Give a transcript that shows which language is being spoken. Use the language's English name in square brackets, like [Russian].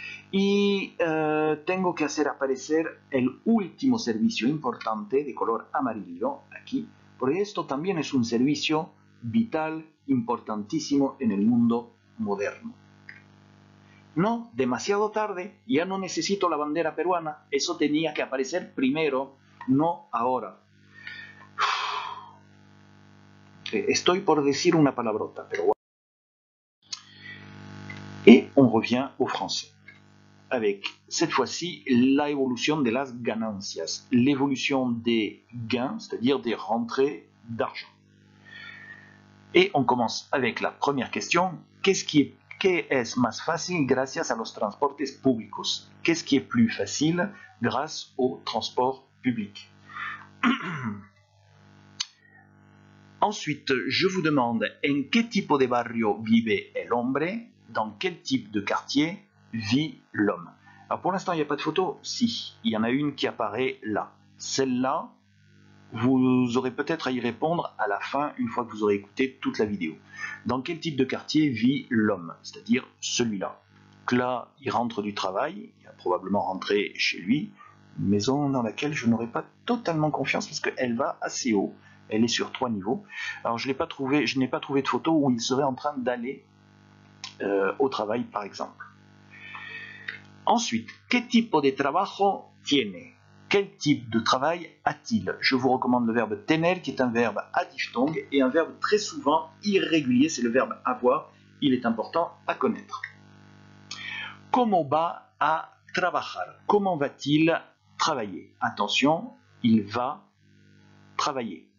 [Spanish] Y tengo que hacer aparecer el último servicio importante de color amarillo aquí, porque esto también es un servicio vital, importantísimo en el mundo moderno. No, demasiado tarde, ya no necesito la bandera peruana, eso tenía que aparecer primero, no ahora. Estoy por decir una palabrota, pero bueno. [French] Et on revient au français. Avec cette fois-ci l'évolution de [Spanish] las ganancias, [French] l'évolution des gains, c'est-à-dire des rentrées d'argent. Et on commence avec la première question. [Spanish] ¿Qué es más fácil gracias a los transportes públicos? ¿Qué es [French] plus facile grâce aux transports publics? Ensuite, je vous demande [Spanish] en qué tipo de barrio vive el hombre, [French] dans quel type de quartier vit l'homme. Alors pour l'instant, il n'y a pas de photo. Si, il y en a une qui apparaît là. Celle-là, vous aurez peut-être à y répondre à la fin, une fois que vous aurez écouté toute la vidéo. Dans quel type de quartier vit l'homme, c'est-à-dire celui-là. Là, il rentre du travail, il a probablement rentré chez lui, maison dans laquelle je n'aurais pas totalement confiance parce qu'elle va assez haut. Elle est sur trois niveaux. Alors, je n'ai pas trouvé de photo où il serait en train d'aller au travail, par exemple. Ensuite, [Spanish] ¿qué tipo de trabajo tiene? [French] Quel type de travail a-t-il? Je vous recommande le verbe tener, qui est un verbe à diphtongue et un verbe très souvent irrégulier. C'est le verbe avoir. Il est important à connaître. [Spanish] ¿Cómo va a trabajar? [French] Comment va-t-il travailler? Attention, il va travailler.